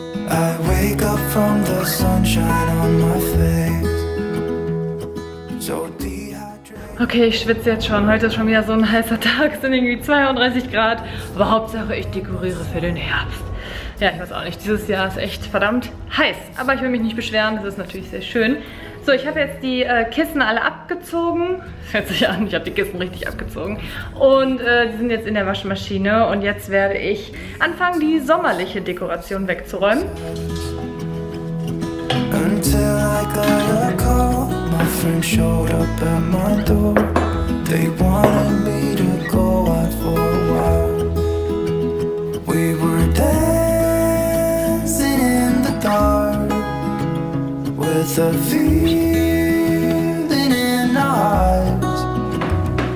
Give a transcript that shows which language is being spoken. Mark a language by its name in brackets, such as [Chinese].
[English] I wake up from the sunshine on my face. [German] So okay, ich schwitze jetzt schon. Heute ist schon wieder so ein heißer Tag, es sind irgendwie 32 Grad. Aber Hauptsache, ich dekoriere für den Herbst. Ja, ich weiß auch nicht. Dieses Jahr ist echt verdammt heiß. Aber ich will mich nicht beschweren, das ist natürlich sehr schön. So, ich habe jetzt die Kissen alle abgezogen. Das hört sich an, ich habe die Kissen richtig abgezogen. Und die sind jetzt in der Waschmaschine. Und jetzt werde ich anfangen, die sommerliche Dekoration wegzuräumen. [English] Until I got a call, my friend showed up at my door. They wanted me to go out for a while. We were dancing in the dark with a feeling in our eyes.